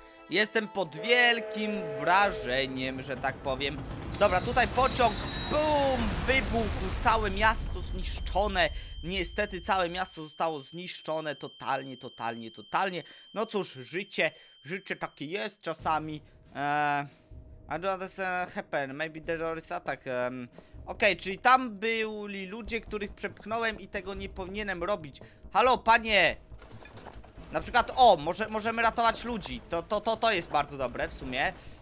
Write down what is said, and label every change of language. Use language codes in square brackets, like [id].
[pl] Jestem pod wielkim wrażeniem, że tak powiem. Dobra, tutaj pociąg, bum, wybuchł, całe miasto zniszczone. Niestety całe miasto zostało zniszczone totalnie, totalnie, totalnie. No cóż, życie takie jest czasami. [en] I don't understand what happened, maybe there is attack. [pl] Okej, czyli tam byli ludzie, których przepchnąłem i tego nie powinienem robić. Halo, panie! Na przykład, o, możemy ratować ludzi. To jest bardzo dobre w sumie.